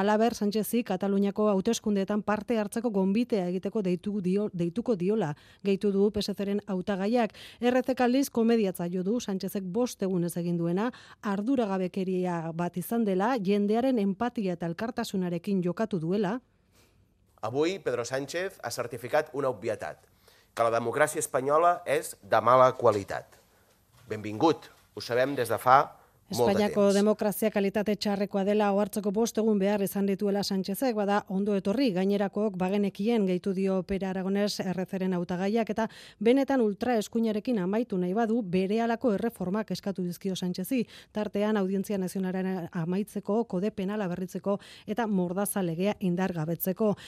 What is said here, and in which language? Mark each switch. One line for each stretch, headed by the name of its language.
Basque: Halaber, Sánchezi Kataluniako hauteskundeetan parte hartzeko gonbitea egiteko deituko diola, gehitu du PSZ-ren hautagaiak. RZ-ek aldiz komediatza jo du Sánchezek 5 egunez egin duena, arduragabekeria bat izan dela, jendearen empatia eta elkartasunarekin jokatu duela.
Catalan: Avui Pedro Sánchez ha certificat una obvietat, que la democràcia espanyola és de mala qualitat. Benvingut, ho sabem des de fa
Basque: Espainiako demokrazia kalitate txarrekoa dela ohartzeko bost egun behar izan dituela Sánchezek, bada ondo etorri gainerakook bagenekien gehitu dio Pere Aragonés RCren hautagaiak eta benetan ultra eskuinarekin amaitu nahi badu berehalako erreformak eskatu dizkio Sánchezi, tartean audientzia nazionalaren amaitzeko, kode penala berritzeko eta mordaza legea indargabetzeko.